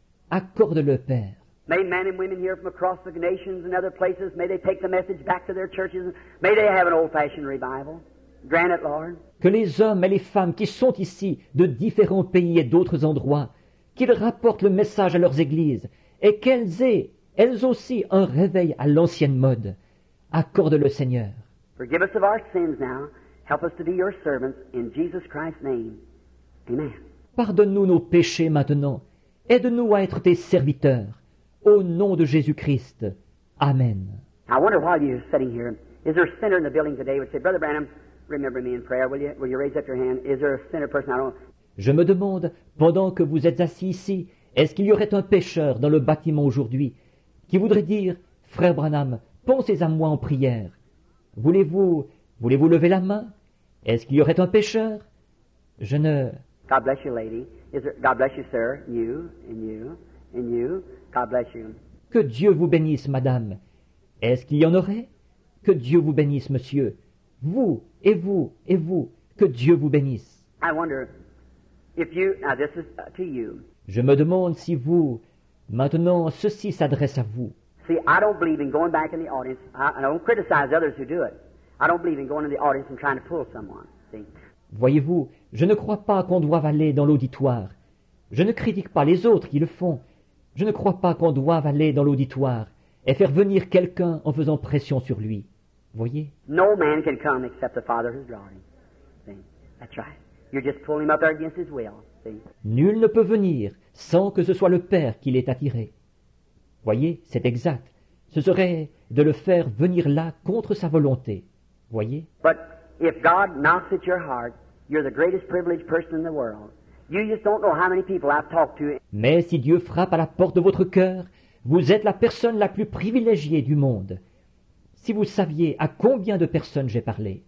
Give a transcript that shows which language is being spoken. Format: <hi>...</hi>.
<fr>Accorde-le, Père.</fr> <en>May men and women here from across the nations and other places, may they take the message back to their churches. May they have an old-fashioned revival. Grant it, Lord.</en> <fr>Que les hommes et les femmes qui sont ici de différents pays et d'autres endroits, qu'ils rapportent le message à leurs églises et qu'elles aient elles aussi un réveil à l'ancienne mode. Accorde-le, Seigneur.</fr> <en>Forgive us of our sins now. Help us to be your servants in Jesus Christ's name. Amen.</en> <fr>Pardonne-nous nos péchés maintenant. Aide-nous à être tes serviteurs. Au nom de Jésus-Christ. Amen.</fr> <en>I wonder why you're sitting here. Is there a sinner in the building today who would say, Brother Branham, remember me in prayer, will you? Will you raise up your hand? Is there a sinner person? I don't.</en> <fr>Je me demande, pendant que vous êtes assis ici, est-ce qu'il y aurait un pécheur dans le bâtiment aujourd'hui qui voudrait dire, Frère Branham, pensez à moi en prière. Voulez-vous lever la main? Est-ce qu'il y aurait un pécheur? Je ne...</fr> <en>God bless you, lady. God bless you, sir. You, and you, and you. God bless you.</en> <fr>Que Dieu vous bénisse, madame. Est-ce qu'il y en aurait? Que Dieu vous bénisse, monsieur. Vous, et vous, et vous. Que Dieu vous bénisse.</fr> <en>I wonder if you... Now, this is to you.</en> <fr>Je me demande si vous... Maintenant, ceci s'adresse à vous.</fr> <en>See, I don't believe in going back in the audience. I don't criticize others who do it. I don't believe in going in the audience and trying to pull someone. See?</en> <fr>Voyez-vous, je ne crois pas qu'on doive aller dans l'auditoire. Je ne critique pas les autres qui le font. Je ne crois pas qu'on doive aller dans l'auditoire et faire venir quelqu'un en faisant pression sur lui. Voyez?</fr> <en>No man can come except the Father who's drawing him. See? That's right. You're just pulling him up there against his will. See?</en> <fr>Nul ne peut venir sans que ce soit le Père qui l'ait attiré. Voyez, c'est exact. Ce serait de le faire venir là contre sa volonté. Voyez?</fr> <en>But if God knocks at your heart, you're the greatest privileged person in the world. You just don't know how many people I've talked to.</en> <fr>Mais si Dieu frappe à la porte de votre cœur, vous êtes la personne la plus privilégiée du monde. Si vous saviez à combien de personnes j'ai parlé.</fr>